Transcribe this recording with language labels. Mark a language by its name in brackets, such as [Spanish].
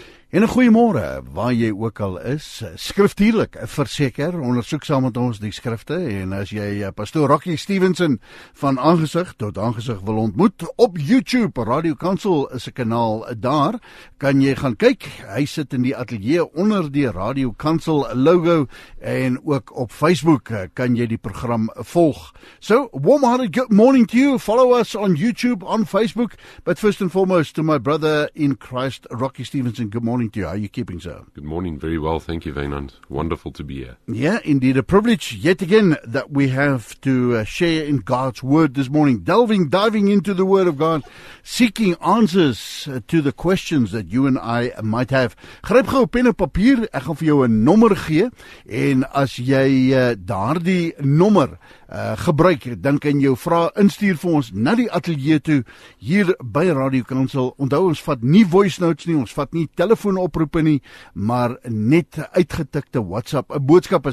[Afrikaans] En 'n goeiemôre, waar jy ook al is, skriftuurlik, verseker, ondersoek saam met ons die skrifte, en as jy Pastoor Rocky Stevenson van aangesig tot aangesig wil ontmoet, op YouTube, Radio Kansel is 'n kanaal daar, kan jy gaan kyk, hy sit in die atelier onder die Radio Kansel logo, en ook op Facebook kan jy die program volg. [English] So, warm-hearted good morning to you, follow us on YouTube, on Facebook, but first and foremost to my brother in Christ, Rocky Stevenson, good morning to you. How are you keeping, sir? Good morning. Very well. Thank you, Wynand. Wonderful to be here. Yeah, indeed. A privilege yet again that we have to share in God's Word this morning. Diving into the Word of God, seeking answers to the questions that you and I might have. [Afrikaans] Gryp gou pen en papier. Ek gaan vir jou 'n nommer gee. En as jy daardie nommer gebruik, dan kan jou vraag instuur vir ons na die atelier toe hier by Radio Kansel. Onthou, ons vat nie voice notes nie, ons vat nie telefoonoproepe nie, maar net uitgetikte WhatsApp boodskappe.